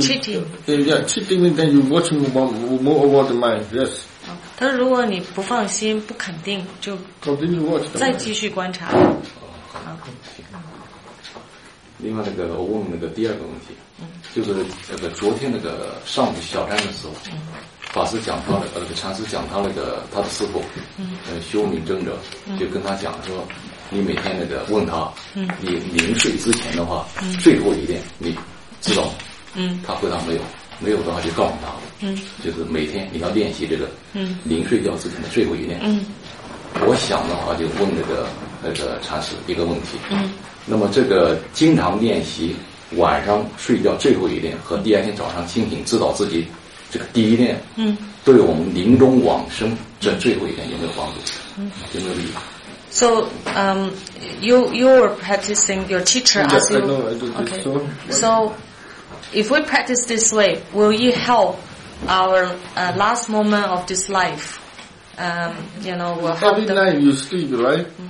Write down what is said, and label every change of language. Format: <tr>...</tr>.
<en>Cheating, then you watch more over the mind, yes.</en> <zh>他说：“如果你不放心、不肯定，就再继续观察。” 哦，另外，那个我问那个第二个问题，就是那个昨天那个上午小站的时候，法师讲他那个禅师讲他那个他的师父，修明正者，就跟他讲说，你每天那个问他，你临睡之前的话，最后一遍你知道吗？他回答没有。没有的话就告诉他，就是每天你要练习这个临睡觉之前的最后一念。我想的话就问那个禅师一个问题，那么这个经常练习晚上睡觉最后一念和第二天早上清醒知道自己这个第一念，对我们临终往生这最后一念有没有帮助，有没有利益？</zh> <en>So, you are practicing, your teacher asks you, okay, so,If we practice this way, will it help our last moment of this life? You know, will help every night you sleep, right?</en>